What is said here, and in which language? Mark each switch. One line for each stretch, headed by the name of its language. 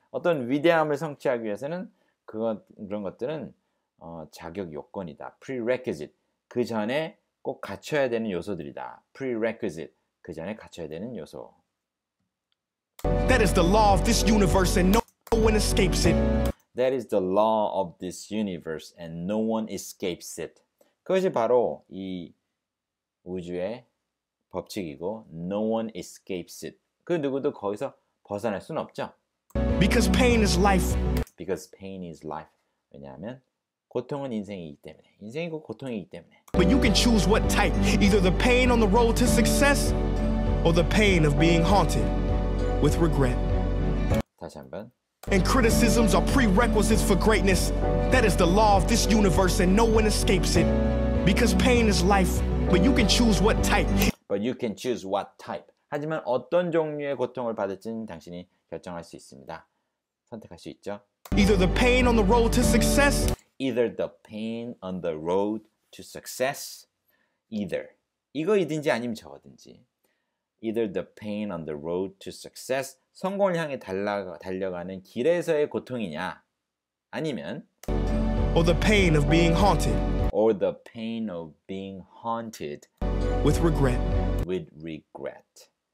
Korean: 어떤 위대함을 성취하기 위해서는 그런 것들은 자격 요건이다.
English: Prerequisite.
Korean: 그 전에 꼭 갖춰야 되는 요소들이다.
English: Prerequisite.
Korean: 그 전에 갖춰야 되는 요소.
English: That is the law of this universe and no one escapes it. That is the law of this universe and no one escapes it.
Korean: 그것이 바로 이 우주의 법칙이고
English: no one escapes it.
Korean: 그 누구도 거기서 벗어날 수는 없죠.
English: Because pain is life. Because pain is life.
Korean: 왜냐하면 고통은 인생이기 때문에. 인생이 곧 고통이기 때문에.
English: But you can choose what type. Either the pain on the road to success or the pain of being haunted with regret.
Korean: 다시 한번.
English: And criticisms are prerequisites for greatness. That is the law of this universe and no one escapes it. Because pain is life. But you can choose what type. But you can choose what type.
Korean: 하지만 어떤 종류의 고통을 받을지는 당신이 결정할 수 있습니다. 선택할 수 있죠.
English: Either the pain on the road to success. Either the pain on the road to success. Either.
Korean: 이거이든지 아니면 저거든지.
English: Either the pain on the road to success.
Korean: 성공을 향해 달려가는 길에서의 고통이냐. 아니면.
English: Or the pain of being haunted. Or the pain of being haunted. With regret. With regret.